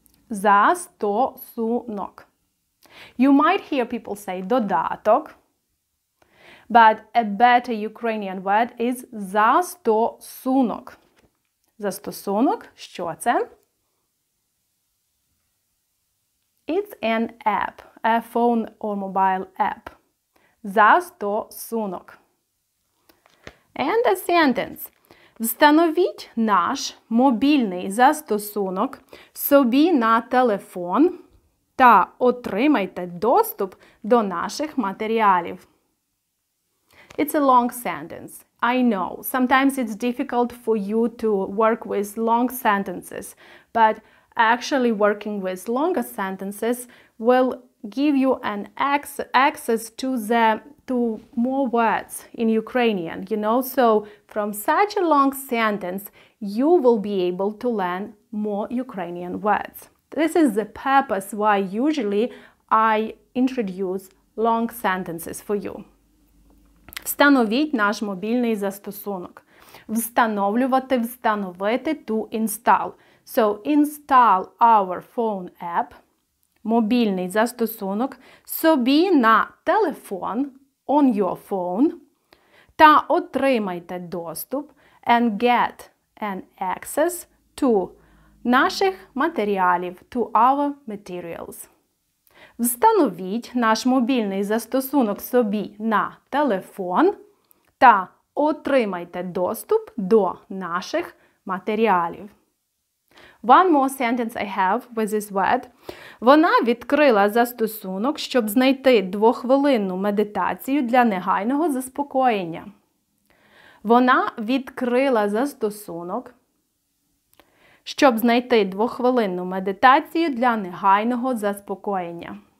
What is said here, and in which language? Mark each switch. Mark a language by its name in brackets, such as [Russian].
[English] Застосунок. You might hear people say додаток, but a better Ukrainian word is застосунок. [Ukrainian] Застосунок, що це? [English] It's an app, a phone or mobile app. Застосунок. And a sentence. [Ukrainian] Встановіть наш мобільний застосунок собі на телефон та отримайте доступ до наших матеріалів. [English] It's a long sentence. I know, sometimes it's difficult for you to work with long sentences, but actually working with longer sentences will give you an access to the more words in Ukrainian, you know? So from such a long sentence, you will be able to learn more Ukrainian words. This is the purpose why usually I introduce long sentences for you. [Ukrainian] Встановіть наш мобільний застосунок. Встановлювати, встановити, [English] to install. So, install our phone app, [Ukrainian] мобільний застосунок, собі на телефон, [English] on your phone, [Ukrainian] та отримайте доступ, [English] and get an access to [Ukrainian] наших матеріалів, [English] to our materials. [Ukrainian] Встановіть наш мобільний застосунок собі на телефон, та отримайте доступ до наших матеріалів. [English] One more sentence I have with this word. [Ukrainian] Вона відкрила застосунок, щоб знайти двохвилинну медитацію для негайного заспокоєння. Вона відкрила застосунок, щоб знайти двохвилинну медитацію для негайного заспокоєння.